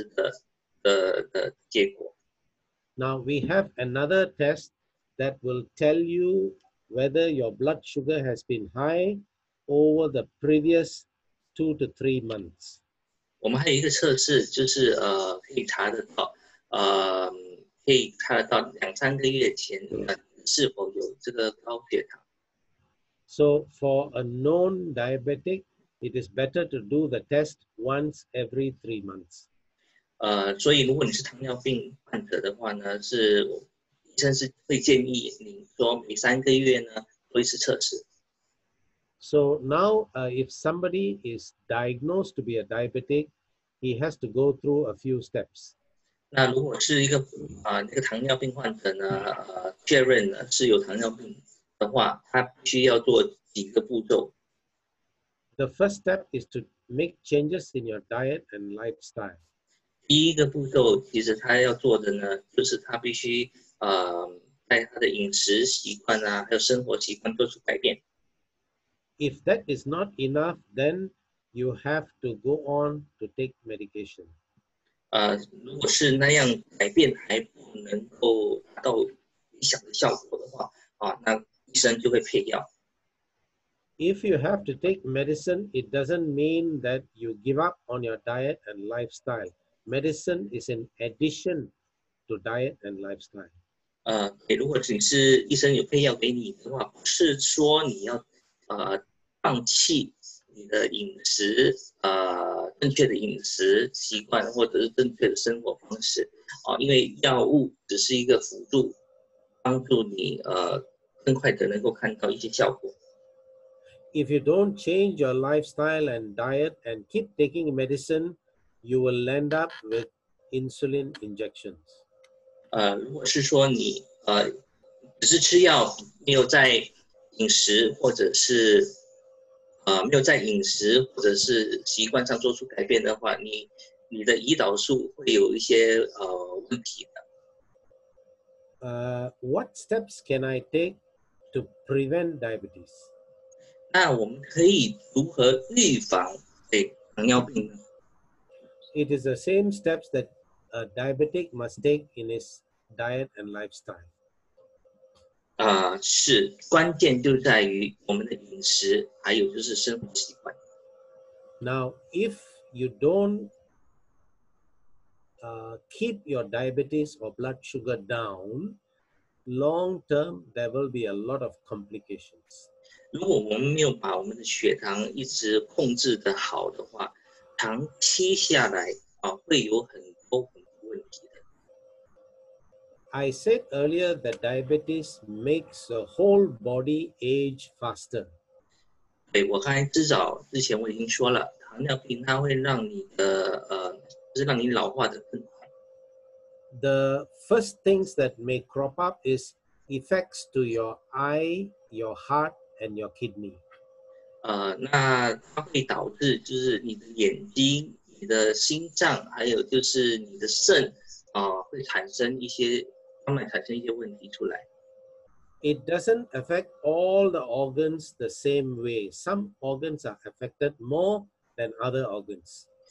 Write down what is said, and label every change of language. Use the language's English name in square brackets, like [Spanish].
[Chinese] 那你们要了解了，如果是说你做测试嘛，那个测试报告出来的报告就是那个时候你做测试的结果。 [English] Now we have another test that will tell you whether your blood sugar has been high over the previous 2 to 3 months. [Chinese] 我们还有一个测试，就是可以查得到两三个月前是否有这个高血糖。 [English] So for a known diabetic, it is better to do the test once every 3 months. [Chinese] 所以如果你是糖尿病患者的话呢，是医生是会建议您说每三个月呢做一次测试。 [English] So now, if somebody is diagnosed to be a diabetic, he has to go through a few steps. [Chinese] 那如果是一个那个糖尿病患者呢，确认呢是有糖尿病的话，他必须要做几个步骤。 [English] The first step is to make changes in your diet and lifestyle. [Chinese] 第一个步骤其实他要做的呢，就是他必须在他的饮食习惯啊，还有生活习惯做出改变。 [English] If that is not enough, then you have to go on to take medication. [Chinese] 如果是那样改变还不能够达到理想的效果的话，那医生就会配药。 [English] If you have to take medicine, it doesn't mean that you give up on your diet and lifestyle. Medicine is an addition to diet and lifestyle. [Chinese] 如果你是医生有配药给你的话，不是说你要放弃你的饮食，正确的饮食习惯或者是正确的生活方式，因为药物只是一个辅助，帮助你更快的能够看到一些效果。 [English] If you don't change your lifestyle and diet and keep taking medicine, you will end up with insulin injections. [Chinese] 如果是说你只是吃药，没有在饮食或者是没有在饮食或者是习惯上做出改变的话，你的胰岛素会有一些问题的。 [English] What steps can I take to prevent diabetes? [Chinese] 那我们可以如何预防糖尿病呢？ [English] It is the same steps that a diabetic must take in his diet and lifestyle. [Chinese] 是，关键就在于我们的饮食，还有就是生活习惯。 [English] Now, if you don't keep your diabetes or blood sugar down, long term, there will be a lot of complications. [Chinese] 如果我们没有把我们的血糖一直控制得好的话，长期下来会有很多很多问题。 [English] I said earlier that diabetes makes the whole body age faster. [Chinese] 对，我刚才之前我已经说了，糖尿病它会让你的让你老化的更快。 [English] The first things that may crop up is effects to your eye, your heart, and your kidney. [Chinese] 那它会导致就是你的眼睛、你的心脏，还有就是你的肾会产生一些。 [English] It doesn't affect all the organs the same way. Some organs are affected more than other organs.